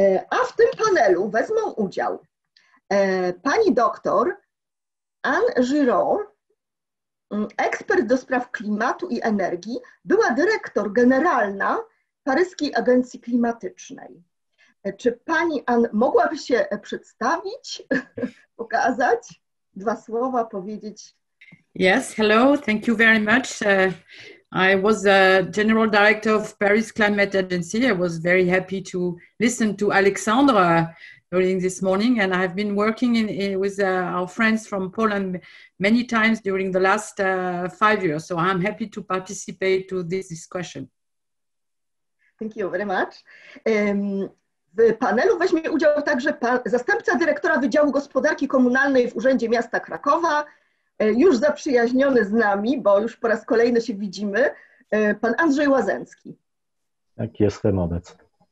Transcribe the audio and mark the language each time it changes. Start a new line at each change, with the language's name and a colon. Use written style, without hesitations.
Polish: A w tym panelu wezmą udział pani doktor Anne Giraud, ekspert do spraw klimatu i energii, była dyrektor generalna Paryskiej Agencji Klimatycznej. Czy pani Anne mogłaby się przedstawić, pokazać, dwa słowa powiedzieć?
English: Yes, hello, thank you very much. I was a general director of Paris Climate Agency. I was very happy to listen to Alexandra during this morning, and I've been working with our friends from Poland many times during the last 5 years. So I'm happy to participate to this discussion. Thank you very much.
Polish: W panelu weźmie udział także zastępca dyrektora Wydziału Gospodarki Komunalnej w Urzędzie Miasta Krakowa, już zaprzyjaźniony z nami, bo już po raz kolejny się widzimy, pan Andrzej Łazęcki. Tak, jestem obecny.